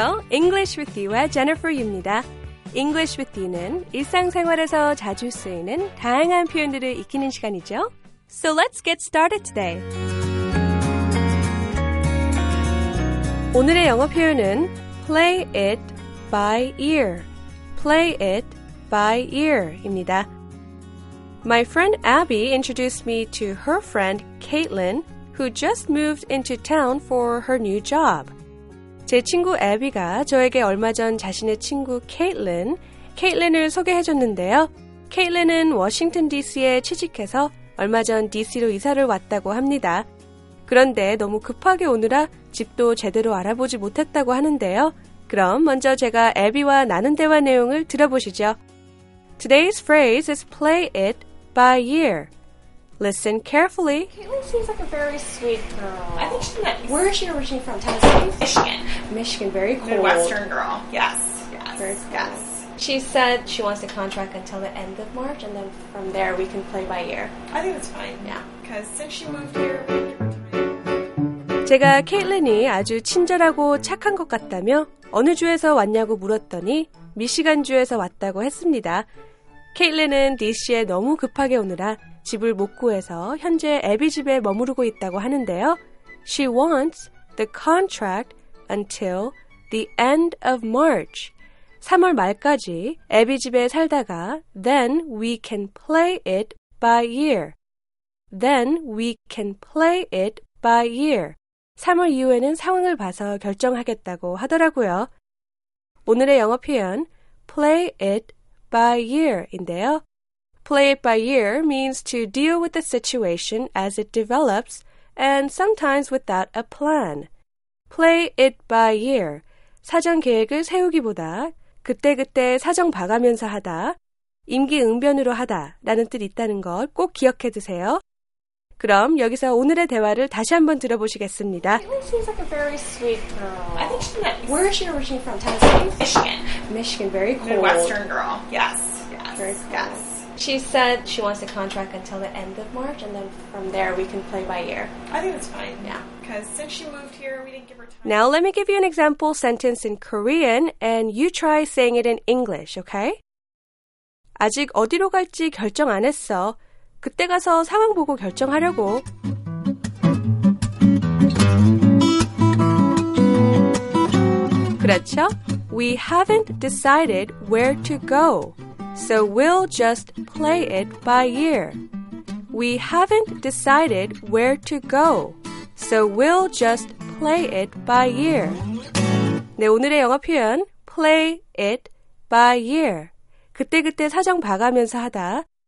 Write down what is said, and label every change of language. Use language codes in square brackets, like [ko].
[ko] English with you, Jennifer 입니다. English with you는 일상생활에서 자주 쓰이는 다양한 표현들을 익히는 시간이죠. [en] So let's get started today. [ko] 오늘의 영어 표현은 play it by ear. [en] Play it by ear입니다. My friend Abby introduced me to her friend Caitlin, who just moved into town for her new job. [ko] 제 친구 에비가 저에게 얼마 전 자신의 친구 케일린을 소개해줬는데요. 케일린은 워싱턴 DC에 취직해서 얼마 전 DC로 이사를 왔다고 합니다. 그런데 너무 급하게 오느라 집도 제대로 알아보지 못했다고 하는데요. 그럼 먼저 제가 에비와 나눈 대화 내용을 들어보시죠. [en] Today's phrase is play it by ear. Listen carefully. Caitlin seems like a very sweet girl. I think she might be. Where is she originally from? Tennessee? Michigan. Michigan, very cool. Midwestern girl. Yes. Yes. Very cool. Yes. She said she wants a contract until the end of March, and then from there we can play by ear. I think that's fine. Yeah. Because since she moved here, [ko] 제가 케일린이 아주 친절하고 착한 것 같다며 어느 주에서 왔냐고 물었더니 미시간주에서 왔다고 했습니다. 케일린은 DC에 너무 급하게 오느라 집을 못 구해서 현재 애비 집에 머무르고 있다고 하는데요. [en] She wants the contract until the end of March. [ko] 3월 말까지 애비 집에 살다가 [en] then we can play it by ear. Then we can play it by ear. [ko] 3월 이후에는 상황을 봐서 결정하겠다고 하더라고요. 오늘의 영어 표현 play it by ear인데요. [en] Play it by ear means to deal with the situation as it develops and sometimes without a plan. Play it by ear. [ko] 사전 계획을 세우기보다 그때그때 사정 봐가면서 하다, 임기응변으로 하다 라는 뜻 있다는 걸 꼭 기억해 두세요. 그럼 여기서 오늘의 대화를 다시 한번 들어보시겠습니다. [en] Caitlin seems like a very sweet girl. I think she might be. Where is she originally from? Tennessee? Michigan. Michigan, very cool. Midwestern girl. Yes. Yes. Very cool. Yes. She said she wants a contract until the end of March, and then from there we can play by ear. I think that's fine. Yeah. Because since she moved here, we didn't give her time. Now let me give you an example sentence in Korean, and you try saying it in English, okay? [ko] 아직 어디로 갈지 결정 안 했어. 그때 가서 상황 보고 결정하려고. [en] We haven't decided where to go, so we'll just play it by ear. We haven't decided where to go, so we'll just play it by ear. [ko] 네, 오늘의 영어 표현, play it by ear. 그때그때 사정 봐가면서 하다.